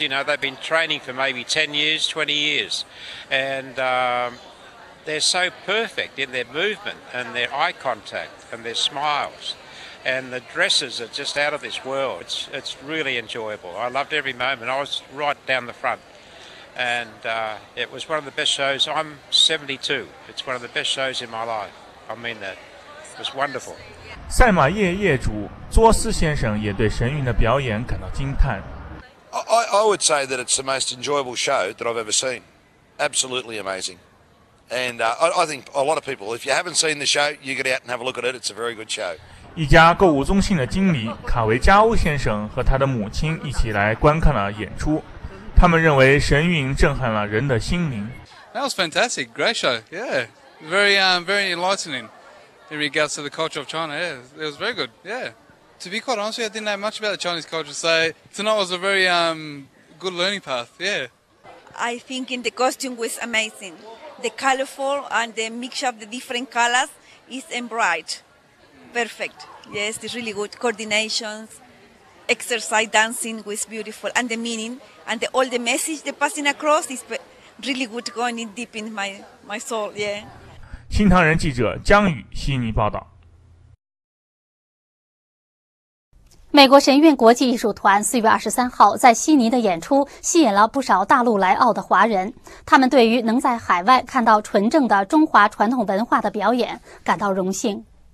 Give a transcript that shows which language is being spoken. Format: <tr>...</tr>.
<en>You know, they've been training for maybe 10 years, 20 years. And they're so perfect in their movement and their eye contact and their smiles. And the dresses are just out of this world. It's really enjoyable. I loved every moment. I was right down the front. And it was one of the best shows. I'm 72. It's one of the best shows in my life. I mean that. It was wonderful.</en> <zh>赛马业业主卓斯先生也对神韵的表演感到惊叹。</zh> <en>I would say that it's the most enjoyable show that I've ever seen. Absolutely amazing. And I think a lot of people, if you haven't seen the show, you get out and have a look at it. It's a very good show.</en> <zh>一家购物中心的经理卡维加乌先生和他的母亲一起来观看了演出。他们认为神韵震撼了人的心灵。</zh> <en>That was fantastic. Great show. Yeah. Very enlightening. In regards to the culture of China, yeah, it was very good, yeah. To be quite honest with you, I didn't know much about the Chinese culture, so tonight was a very good learning path, yeah. I think the costume was amazing. The colorful and the mixture of the different colors is and bright. Perfect. Yes, it's really good. Coordinations, exercise, dancing was beautiful. And the meaning and all the message they're passing across is really good going in deep in my soul, yeah.</en> <zh>新唐人记者江宇，悉尼报道。美国神韵国际艺术团4月23号在悉尼的演出吸引了不少大陆来澳的华人，他们对于能在海外看到纯正的中华传统文化的表演感到荣幸。</zh>